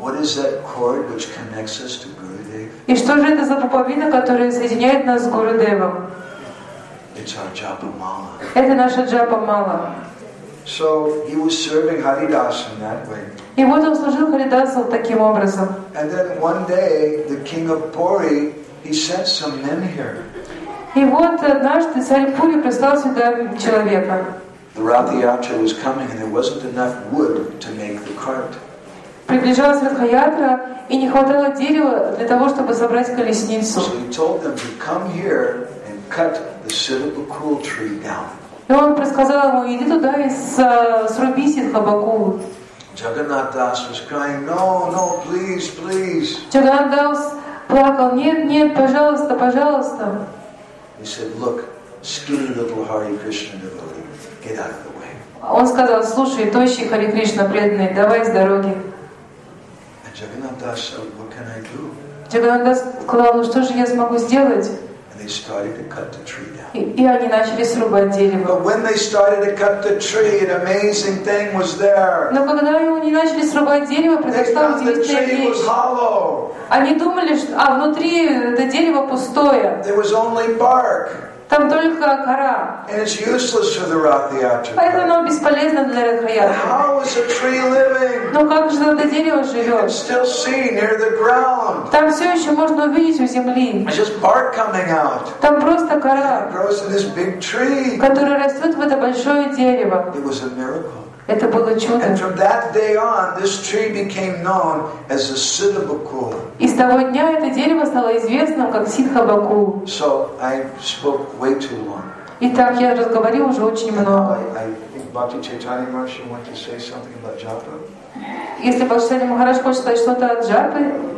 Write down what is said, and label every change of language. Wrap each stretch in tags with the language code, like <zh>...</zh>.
<en>What is that cord which connects us to Gurudev?</en> <ru>И что же это за пуповина, которая соединяет нас с Гурудевом?</ru> <en>It's our japa mala.</en> <ru>Это наша джапа мала.</ru> <en>So he was serving Haridas in that way.</en> <ru>И вот он служил Харидасу таким образом.</ru> <en>And then one day the king of Puri he sent some men here.</en> <ru>И вот однажды царь Пури прислал сюда человека.</ru> <en>The Rathiyatra was coming and there wasn't enough wood to make the cart.</en> <ru>приближалась Ратха-ятра, и не хватало дерева для того, чтобы собрать колесницу.</ru> <en>So he told them to come here and cut the Siddhapukul tree down.</en> <ru>И он предсказал ему, иди туда и сруби Сиддхабакул.</ru> <en>Jagannath Das was crying, no, no, please, please.</en> <ru>Jagannath Das плакал, нет, нет, пожалуйста, пожалуйста.</ru> <en>He said, look, skinny little Hare Krishna devotee, get out of the way.</en> <ru>Он сказал, слушай, тощий Хари Кришна преданный, давай с дороги.</ru> <en>And Jagannath Das said, what can I do?</en> <ru>Jagannath Das сказал, ну что же я смогу сделать?</ru> <en>And they started to cut the tree down.</en> <ru>И они начали срубать дерево.</ru> <en>But when they started to cut the tree, an amazing thing was there.</en> <ru>Но когда они начали срубать дерево, произошла удивительная вещь.</ru> <en>The tree was hollow.</en> <ru>Они думали, что внутри это дерево пустое.</ru> <en>There was only bark.</en> <ru>Там только кора.</ru> <en>And it's useless for the Ratha-yatra.</en> <ru>Поэтому оно бесполезно для Ратха-yatra.</ru> <en>But how is a tree living?</en> <ru>Но как же это дерево живет?</ru> <en>You can still see near the ground.</en> <ru>Там все еще можно увидеть у земли.</ru> <en>It's just bark coming out.</en> <ru>Там просто кора.</ru> <en>It grows in this big tree.</en> <ru>Которая растет в это большое дерево.</ru> <en>It was a miracle.</en> <ru>Это было чудо.</ru> <en>And from that day on, this tree became known as the Siddhapukul.</en> <ru>И с того дня это дерево стало известным как Сиддхабакул.</ru> <en>So I spoke way too long.</en> <ru>Итак, я разговаривал уже очень много.</ru> <en>I think Bhakti Chaitanya Maharaj wants to say something about Japa.</en> <ru>Если Бхакти Чайтанья Махарадж хочет сказать что-то о Джапе.</ru>